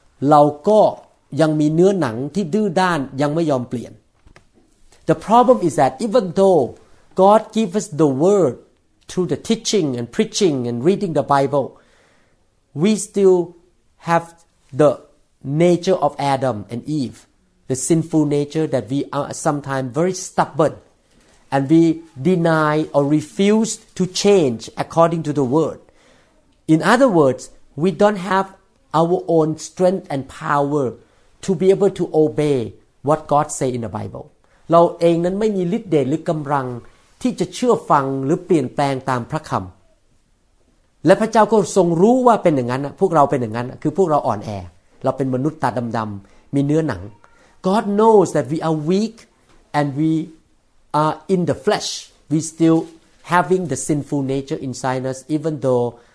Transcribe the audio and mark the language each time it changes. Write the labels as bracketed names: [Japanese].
[Thai] เราก็ยังมีเนื้อหนังที่ดื้อด้านยังไม่ยอมเปลี่ยน [English] The problem is that even though God give us the word through the teaching and preaching and reading the BibleWe still have the nature of Adam and Eve, the sinful nature that we are sometimes very stubborn, and we deny or refuse to change according to the word. In other words, we don't have our own strength and power to be able to obey what God say in the Bible. [Thai] เราเองนั้นไม่มีฤทธิ์เดชหรือกำลังที่จะเชื่อฟังหรือเปลี่ยนแปลงตามพระคำและพระเจ้าก็ทรงรู้ว่าเป็นอย่างนั้นพวกเราเป็นอย่างนั้นคือพวกเราอ่อนแอเราเป็นมนุษย์ตาดำๆมีเนื้อหนัง [English] God knows that we are weak and we are in the flesh we still having the sinful nature inside us even though